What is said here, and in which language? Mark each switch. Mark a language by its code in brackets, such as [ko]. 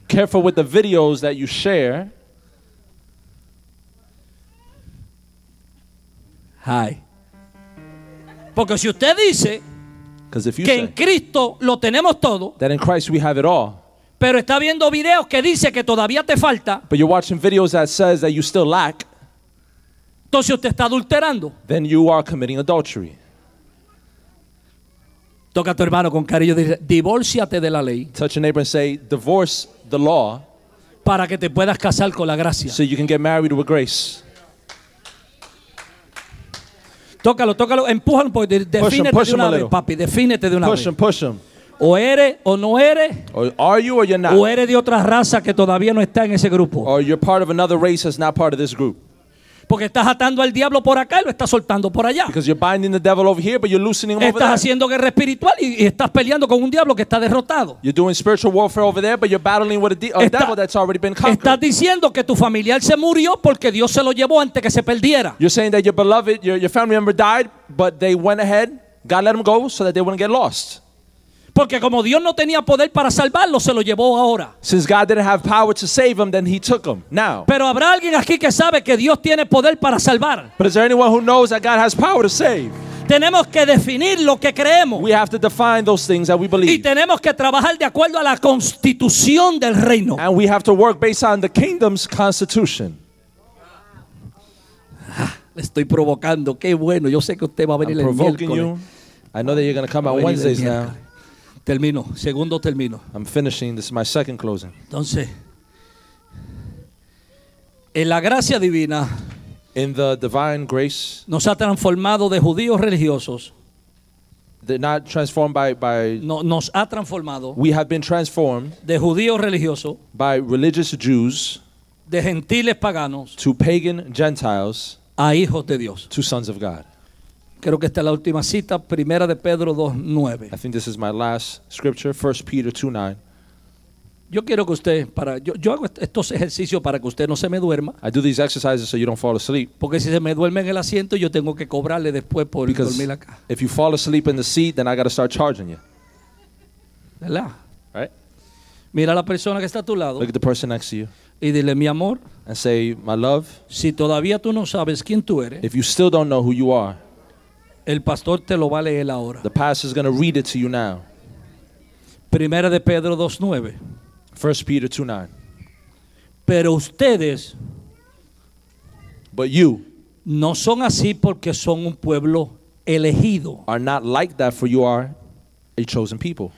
[en] Careful with the videos that you share. [es] Hi. Porque si usted dice [en] que say, [es] en Cristo lo tenemos todo, [en] that in Christ we have it all, [es] pero está viendo videos que dice que todavía te falta, [en] but you're watching videos that says that you still lack, [es] entonces usted está adulterando. [en] Then you are committing adultery. [es] Toca a tu hermano con cariño, divórciate de la ley. [en] Touch your neighbor and say, divorce the law, [es] para que te puedas casar con la gracia. [en] So you can get married with grace. [es] Tócalo, tócalo, empújalo un poco. Defínete de una vez, papi. [en] Push him, push him. [es] O eres o no eres. [en] Or are you or you're not. [es] O eres de otra raza que todavía no está en ese grupo. [en] Or you're part of another race that's not part of this group. [es] Porque estás atando al diablo por acá y lo estás soltando por allá. [en] Because you're binding the devil over here, but you're loosening him over there. [es] Estás haciendo guerra espiritual y estás peleando con un diablo que está derrotado. [en] You're doing spiritual warfare over there, but you're battling with a devil that's already been conquered. [es] Estás diciendo que tu familiar se murió porque Dios se lo llevó antes que se perdiera. [en] You're saying that your beloved, your family member died, but they went ahead. God let them go so that they wouldn't get lost. [es] Porque como Dios no tenía poder para salvarlo, se lo llevó ahora. [en] Since God didn't have power to save him, then he took him now. [es] Pero habrá alguien aquí que sabe que Dios tiene poder para salvar. [en] But is there anyone who knows that God has power to save? [es] Tenemos que definir lo que creemos. [en] We have to define those things that we believe. [es] Y tenemos que trabajar de acuerdo a la constitución del reino. [en] And we have to work based on the kingdom's constitution. [es] Le estoy provocando. Qué bueno. Yo sé que usted va a venir el miércoles. [en] I'm provoking you. I know that you're going to come on Wednesdays now. [es] Termino, segundo termino. [en] I'm finishing, this is my second closing. [es] Entonces, en la gracia divina, [en] in the divine grace, [es] nos ha transformado de judíos religiosos. [en] They're not transformed by [es] no, nos ha transformado. [en] We have been transformed [es] de judíos religiosos [en] by religious Jews, [es] de gentiles paganos [en] to pagan Gentiles, [es] a hijos de Dios, [en] to sons of God. [es] Creo que esta es la última cita, primera de Pedro 2:9. [en] I think this is my last scripture, 1 Peter 2:9. [es] Yo quiero que usted para yo hago estos ejercicios para que usted no se me duerma. [en] I do these exercises so you don't fall asleep. [es] Porque si se me duerme en el asiento, yo tengo que cobrarle después por [en] Because [es] dormir acá. [en] If you fall asleep in the seat, then I got to start charging you. [es] ¿Verdad? [en] Right? [es] Mira a la persona que está a tu lado. [en] Look at the person next to you. [es] Y dile mi amor. [en] And say my love. [es] Si todavía tú no sabes quién tú eres. [en] If you still don't know who you are. [es] El pastor te lo va a leer ahora. [en] The pastor is going to read it to you now. [es] Primera de Pedro 2:9. [en] 1 Peter 2:9. [es] Pero ustedes, [en] but you, [es] no son así porque son un pueblo elegido. [en] Are not like that, for you are a chosen people.